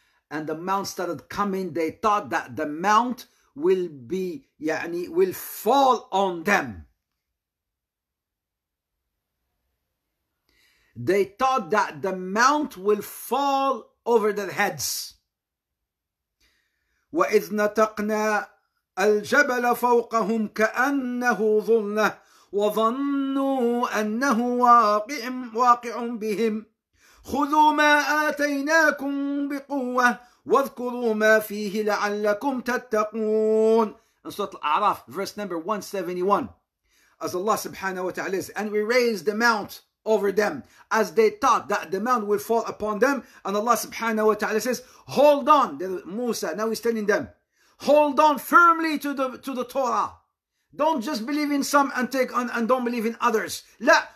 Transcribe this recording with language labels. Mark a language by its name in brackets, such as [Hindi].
[English] And the mount started coming. They thought that the mount will be, yani, will fall on them. They thought that the mount will fall over their heads. [Arabic] وَإِذْ نَتَقْنَا الْجَبَلَ فَوْقَهُمْ كَأَنَّهُ ظُلَّةٌ وَظَنُّوا أَنَّهُ وَاقِعٌ بِهِمْ خُذُوا مَا آتَيْنَاكُمْ بِقُوَّةٍ وَاذْكُرُوا مَا فِيهِ لَعَلَّكُمْ تَتَّقُونَ [English] Surah Al-A'raf, verse number 171. As Allah subhanahu wa ta'ala says, and we raised the mount over them, as they thought that the mount will fall upon them. And Allah subhanahu wa ta'ala says, hold on, Musa, now he's telling them, hold on firmly to the Torah. Don't just believe in some and don't believe in others. La,